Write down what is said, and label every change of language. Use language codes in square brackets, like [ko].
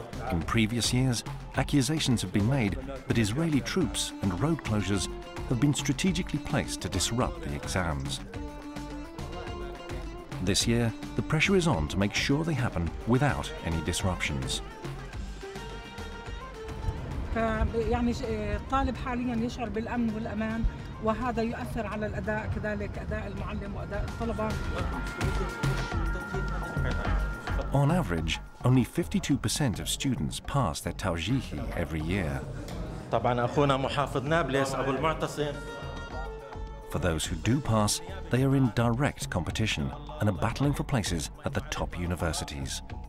[en] In previous years, accusations have been made that Israeli troops and road closures have been strategically placed to disrupt the exams. This year, the pressure is on to make sure they happen without any disruptions. [ar] يعني الطالب حاليا يشعر بالأمن والأمان وهذا يؤثر على الأداء كذلك أداء المعلم وأداء الطلبة. [en] On average, only 52% of students pass their Tawjihi every year. [ar] طبعا أخونا محافظ نابلس أبو المعتصم. [en] For those who do pass, they are in direct competition and are battling for places at the top universities.